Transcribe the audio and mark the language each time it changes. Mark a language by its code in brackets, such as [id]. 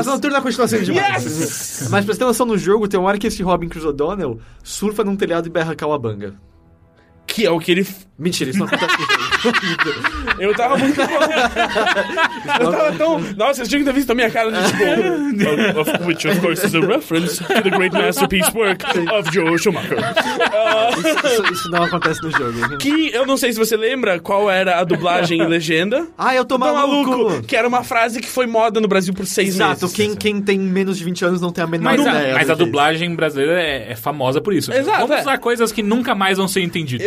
[pt] Asa Noturna continua sendo demais. [en] Yes! [pt] Mas pra você ter noção, no jogo, tem uma hora que esse Robin Chris O'Donnell surfa num telhado e berra Cawabunga. Que é o que ele... Mentira, isso não acontece. Eu tava muito bom. Eu tava tão... Nossa, vocês tinham que ter visto a minha cara de tipo... [en] of which, of course, is a reference to the great masterpiece work of Joel Schumacher. [pt] Isso não acontece no jogo. Que, eu não sei se você lembra qual era a dublagem e legenda. Ah, eu tô maluco. Que era uma frase que foi moda no Brasil por seis Exato, meses. Exato, quem tem menos de 20 anos não tem a menor ideia. Mas a dublagem brasileira é famosa por isso. Exato. Vamos usar coisas que nunca mais vão ser entendidas.